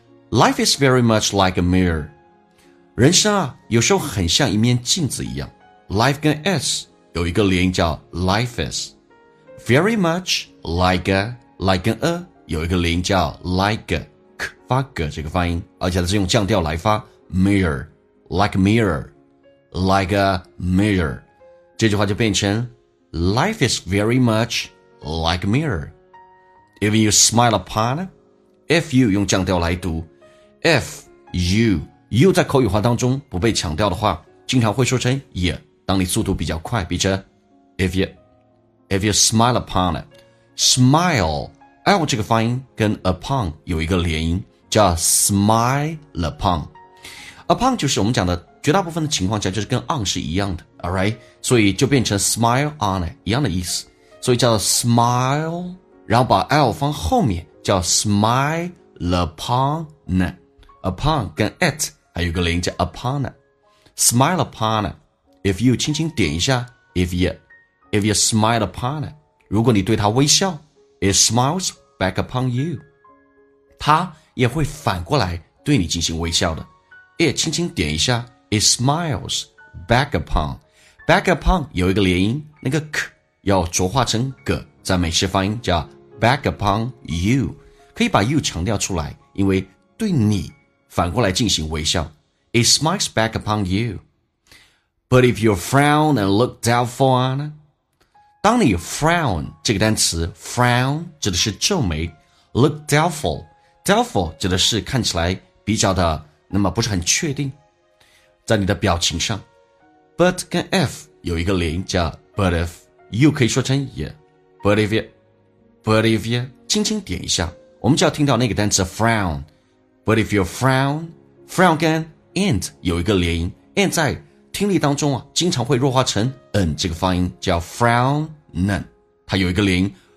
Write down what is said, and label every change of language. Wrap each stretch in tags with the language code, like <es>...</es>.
<en>Life is very much like a mirror.</en> <zh>人生啊，有时候很像一面镜子一样。 Life 跟 S 有一个连音叫 Life is. Very much like a, like 跟 a 有一个连音叫 like a, k 发 g 这个发音，而且它是用降调来发 mirror, like mirror, like a mirror. 这句话就变成 Life is very much like a mirror. If you smile upon it, if you 用降调来读 if you, you 在口语化当中不被强调的话，经常会说成 yeah, 当你速度比较快，比着 if you smile upon it, smile, L 这个发音跟 upon 有一个连音叫 smile upon. Upon 就是我们讲的绝大部分的情况下就是跟 on 是一样的， alright, 所以就变成 smile on it, 一样的意思，所以叫 smile, 然后把 L 放后面叫 smile upon it, upon 跟 it 还有个连音叫 upon it, smile upon it, if you 轻轻点一下 if you smile upon it, 如果你对他微笑 it smiles back upon you, 他也会反过来对你进行微笑的， it 轻轻点一下It smiles back upon. Back upon 有一个连音，那个 k 要浊化成 g, 在美式发音叫 back upon you. 可以把 you 强调出来，因为对你反过来进行微笑。</zh> <en>It smiles back upon you.</en> <zh>But if you frown and look doubtful on it, 当你 frown 这个单词 frown 指的是皱眉 ，look doubtful doubtful 指的是看起来比较的那么不是很确定。在你的表情上 but 跟 f 有一个连音叫 but if, you 可以说成 yeah, but if you 轻轻点一下，我们就要听到那个单词 frown, but if you frown, frown 跟 and 有一个连音， and 在听力当中啊，经常会弱化成 n 这个发音叫 frown, none, 它有一个连音，</zh>